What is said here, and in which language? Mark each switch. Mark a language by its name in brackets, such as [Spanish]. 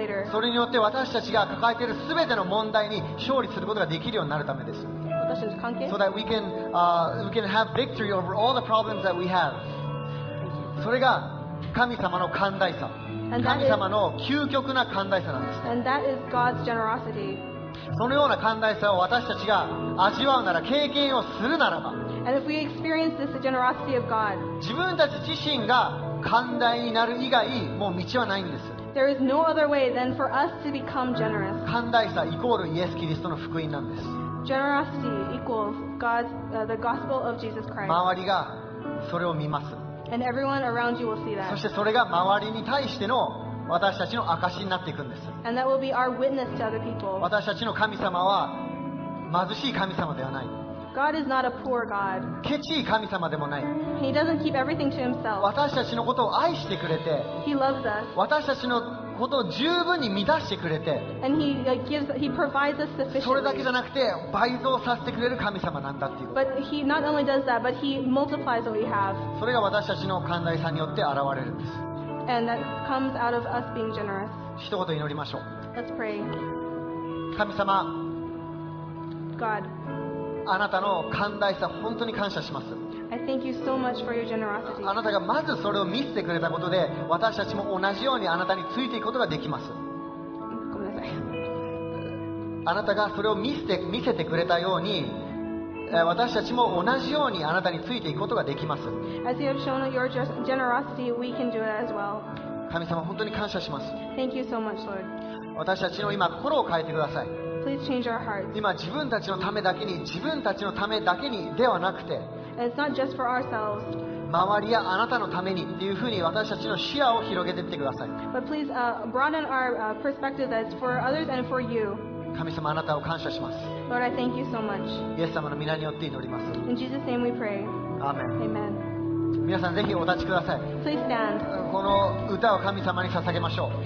[Japanese] それによって私たちが抱えている全ての問題に勝利することができるようになるためです。私たちの関係 [English] So that we can have victory over all the problems that we have. [Japanese] それが神様の寛大さ、神様の究極な寛大さなんです。 [English] And that is God's generosity. [Japanese] そのような寛大さを私たちが味わうなら、経験をするならば、 [English] And if we experience this, the generosity of God, [Japanese] 自分たち自身が寛大になる以外もう道はないんです。 [English] There is no other way than for us to become generous. [Japanese] 寛大さイコールイエス・キリストの福音なんです。 [English] Generosity equals God's, the gospel of Jesus Christ. [Japanese] 周りがそれを見ます。 [English] And everyone around you will see that. [Japanese] そしてそれが周りに対しての私たちの証になっていくんです。 [English] And that will be our witness to other people. [Japanese] 私たちの神様は貧しい神様ではない。 [English] God is not a poor God. [Japanese] ケチい神様でもない。 [English] He doesn't keep everything to himself. [Japanese] 私たちのことを愛してくれて、 [English] He loves us. [Japanese] 私たちのことを十分に満たしてくれて、 [English] And he provides us sufficiently. [Japanese] それだけじゃなくて倍増させてくれる神様なんだっていう。 [English] But he not only does that, but he multiplies what we have. [Japanese] それが私たちの寛大さによって現れるんです。 [English] And that comes out of us being generous. [Japanese] 一言祈りましょう。 [English] Let's pray. [Japanese] 神様、 [English] God, [Japanese] あなたの寛大さ本当に感謝します。 [English] I thank you so much for your generosity. [Japanese] あなたがまずそれを見せてくれたことで、私たちも同じようにあなたについていくことができます。ごめんなさい。あなたがそれを見せてくれたように、私たちも同じようにあなたについていくことができます。 [English] As you have shown your generosity, we can do it as well. [Japanese] 神様、本当に感謝します。 [English] Thank you so much, Lord. [Japanese] 私たちの今心を変えてください。 [English] Please change our hearts. [Japanese] 今自分たちのためだけに、自分たちのためだけにではなくて、 [English] And it's not just for ourselves. [Japanese] 周りやあなたのためにというふうに私たちの視野を広げていってください。 [English] But please broaden our perspective that it's for others and for you. [Japanese] 神様、あなたを感謝します。 [English] Lord, I thank you so much. [Japanese] イエス様の名によって祈ります。 [English] In Jesus' name we pray. Amen. Amen. [Japanese] 皆さん、ぜひお立ちください。 [English] Please stand. [Japanese] この歌を神様に捧げましょう。